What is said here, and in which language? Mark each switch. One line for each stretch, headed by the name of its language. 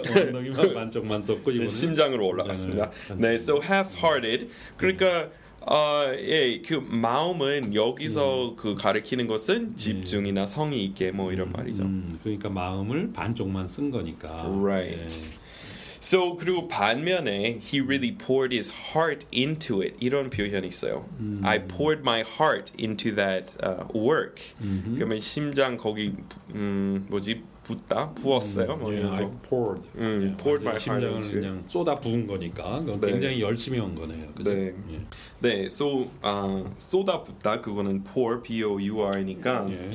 Korean: 엉덩이만 반쪽만 썼고 이번에 심장으로 올라갔습니다.
English: 네, so half hearted.
Korean: 그러니까 예, 그 마음은 여기서 그 가르치는 것은 집중이나 성의 있게 뭐 이런 말이죠. 그러니까 마음을 반쪽만 쓴 거니까.
English: Right. 예. So
Korean: 그리고 반면에
English: he really poured his heart into it.
Korean: 이런 표현이 있어요.
English: I poured my heart into that work.
Korean: 그러면 심장 거기 뭐지 붓다 부었어요.
English: 뭐 I poured. Poured my heart.
Korean: 심장을 그냥 쏟아 부은 거니까 네. 굉장히 열심히 한 거네요. 그죠? 네. 네. 네. So 쏟아 붓다 그거는 pour, P-O-U-R이니까.